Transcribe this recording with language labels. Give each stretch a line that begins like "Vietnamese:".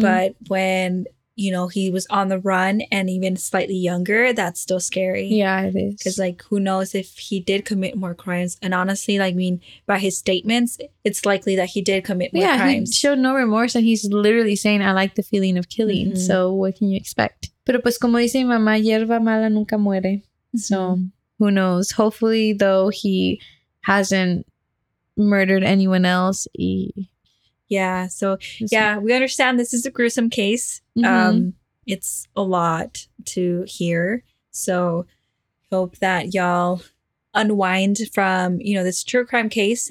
English: But when, you know, he was on the run and even slightly younger, that's still scary. Yeah, it is. Because, like, who knows if he did commit more crimes. And honestly, like, I mean, by his statements, it's likely that he did commit more crimes. Yeah, he showed no remorse. And he's literally saying, I like the feeling of killing. Mm-hmm. So what can you expect?
Spanish: Pero pues como dice mi mamá, hierba mala nunca muere.
English: Mm-hmm. So who knows? Hopefully, though, he hasn't murdered anyone else. We understand this is a gruesome case. Mm-hmm. It's a lot to hear, so hope that y'all unwind from, you know, this true crime case.